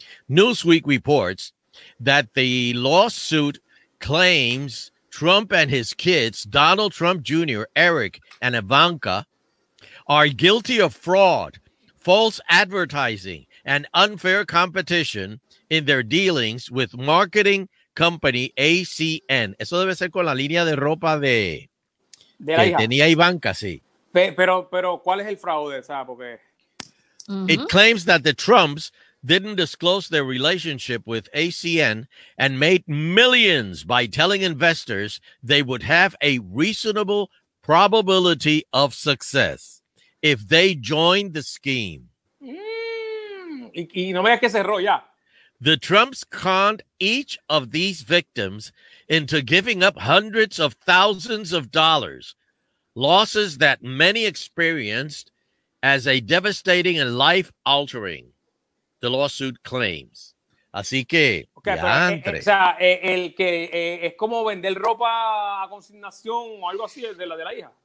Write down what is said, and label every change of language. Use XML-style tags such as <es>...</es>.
<en>Newsweek reports that the lawsuit claims Trump and his kids, Donald Trump Jr., Eric, and Ivanka, are guilty of fraud, false advertising, and unfair competition in their dealings with marketing company ACN.</en> <es>Eso debe ser con la línea de ropa de la hija. Tenía Ivanka, sí. Pero ¿cuál es el fraude? ¿Sabes? Porque...</es> <en>It claims that the Trumps didn't disclose their relationship with ACN and made millions by telling investors they would have a reasonable probability of success if they joined the scheme.</en> <es>Y no me digas que cerró ya.</es> <en>The Trumps conned each of these victims into giving up hundreds of thousands of dollars, losses that many experienced as a devastating and life-altering, the lawsuit claims.</en> <es>Así que, es como vender ropa a consignación o algo así de la hija.</es>